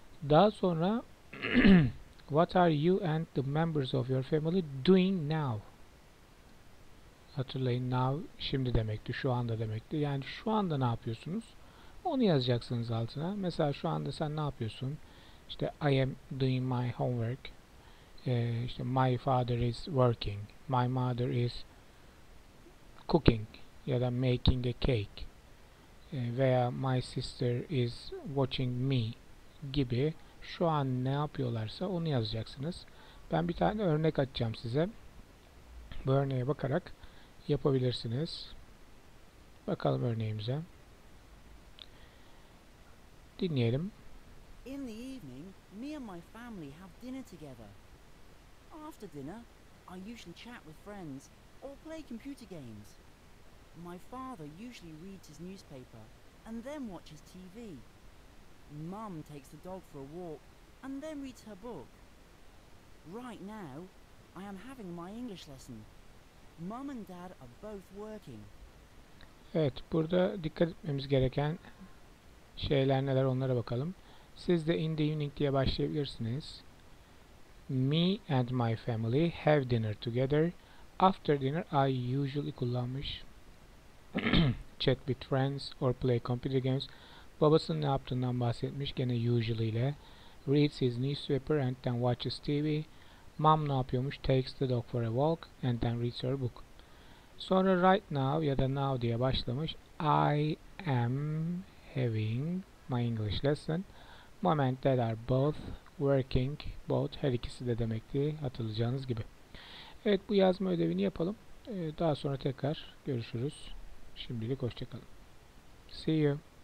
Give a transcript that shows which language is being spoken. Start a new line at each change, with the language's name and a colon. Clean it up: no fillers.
Turkish: Daha sonra
English: what are you and the members of your family doing now?
Turkish: Hatırlayın, now şimdi demekti, şu anda demekti. Yani şu anda ne yapıyorsunuz? Onu yazacaksınız altına. Mesela şu anda sen ne yapıyorsun?
English: İşte I am doing my homework. İşte my father is working. My mother is cooking. Ya da making a cake. Veya my sister is watching me gibi.
Turkish: Şu an ne yapıyorlarsa onu yazacaksınız. Ben bir tane örnek açacağım size. Bu örneğe bakarak yapabilirsiniz. Bakalım örneğimize. Dinleyelim.
English: In the evening, me and my family have dinner together. After dinner, I usually chat with friends or play computer games. My father usually reads his newspaper and then watches TV. Mum takes the dog for a walk and then reads her book. Right now, I am having my English lesson. Mom and dad are both working.
Turkish: Evet, burada dikkat etmemiz gereken şeyler neler onlara bakalım. Siz de
English: in the evening
Turkish: diye başlayabilirsiniz.
English: Me and my family have dinner together. After dinner I usually
Turkish: kullanmış.
English: Chat with friends or play computer games.
Turkish: Babasının ne yaptığından bahsetmiş gene usually ile.
English: Reads his newspaper and then watches TV. Mom
Turkish: ne yapıyormuş?
English: Takes the dog for a walk and then reads her book.
Turkish: Sonra
English: right now
Turkish: ya da now diye başlamış.
English: I am having my English lesson. Mom and dad are both working.
Turkish: Both her ikisi de demekti hatırlayacağınız gibi. Evet, bu yazma ödevini yapalım. Daha sonra tekrar görüşürüz. Şimdilik hoşça kalın.
English: See you.